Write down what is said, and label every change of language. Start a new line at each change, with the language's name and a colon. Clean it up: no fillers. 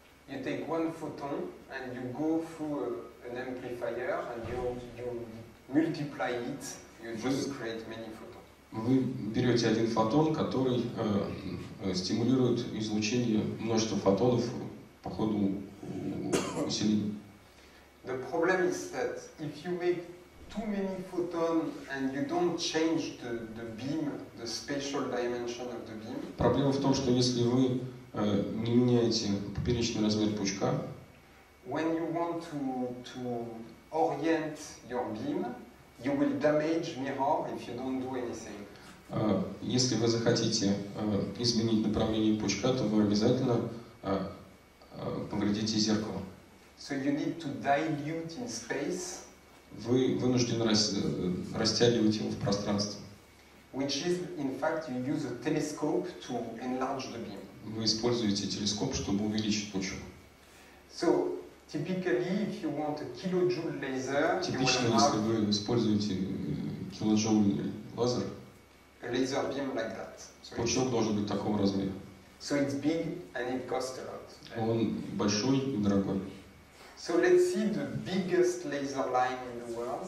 English: You take one photon and you go through an amplifier and you multiply it. You just create many photons.
Russian: Вы берете один фотон, который стимулирует излучение множества фотонов по ходу усиления.
English: The problem is that if you make too many photons and you don't change the beam, the spatial dimension of the beam.
Russian: Проблема в том, что если вы не меняете поперечный размер пучка,
English: when you want to orient your beam, you will damage mirror if you don't do anything.
Russian: Если вы захотите изменить направление пучка, то вы обязательно повредите зеркало.
English: So you need to dilute in space.
Russian: Вы вынуждены растягивать его в пространстве.
English: Which is, in fact, you use a telescope to enlarge the beam.
Russian: Вы используете телескоп, чтобы увеличить пучок.
English: So typically, if you want a kilojoule laser,
Russian: типично, если вы используете килоджоульный лазер.
English: A laser beam like that.
Russian: So пучок должен быть такого размера.
English: So it's big and it costs a lot.
Russian: Он большой и дорогой.
English: So let's see the biggest laser line in the world.